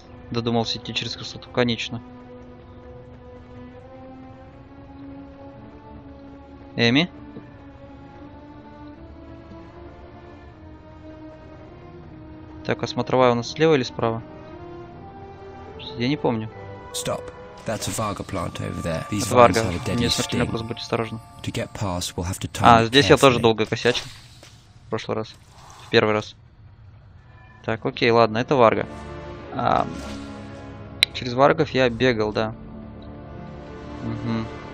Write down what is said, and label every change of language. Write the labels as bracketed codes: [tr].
[ru] Додумался идти через красоту, конечно. Эми? Так, а смотровая у нас слева или справа? Я не помню. Стоп. [en] That's a Varga plant over there. These vines have a deadly sting. [ru] Будь осторожен. [en] To get past, we'll have to time carefully. [ru] А, здесь я тоже долго косячил. В прошлый раз. В первый раз. Так, окей, ладно, это Варга. А, через Варгов я бегал, да. Угу.